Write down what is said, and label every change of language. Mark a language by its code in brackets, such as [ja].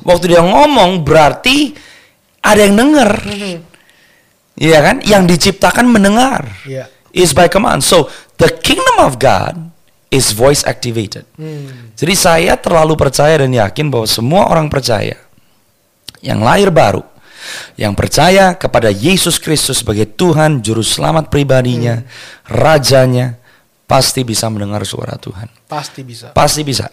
[id] Waktu dia ngomong, berarti ada yang dengar. Iya kan? Yang diciptakan mendengar. [en] Yeah. Is by command. So, the kingdom of God is voice activated. [id] Jadi saya terlalu percaya dan yakin bahwa semua orang percaya yang lahir baru, yang percaya kepada Yesus Kristus sebagai Tuhan, Juru Selamat pribadinya, Rajanya, pasti bisa mendengar suara Tuhan. Pasti bisa. Pasti bisa.